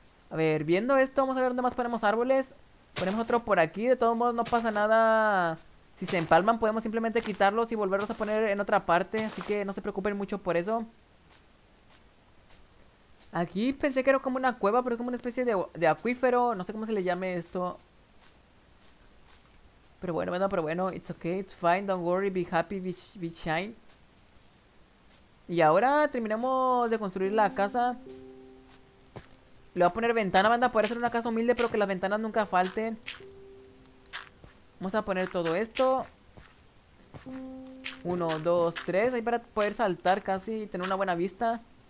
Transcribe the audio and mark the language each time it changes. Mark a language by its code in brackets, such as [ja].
[es] A ver, viendo esto, vamos a ver dónde más ponemos árboles. Ponemos otro por aquí, de todos modos no pasa nada. Si se empalman, podemos simplemente quitarlos y volverlos a poner en otra parte. Así que no se preocupen mucho por eso. Aquí pensé que era como una cueva, pero es como una especie de acuífero. No sé cómo se le llame esto. Pero bueno, [en] it's okay, it's fine, don't worry, be happy, be shine. [es] Y ahora terminamos de construir la casa. Le voy a poner ventana, banda, puede ser una casa humilde, pero que las ventanas nunca falten. Vamos a poner todo esto. Uno, dos, tres, ahí para poder saltar casi y tener una buena vista.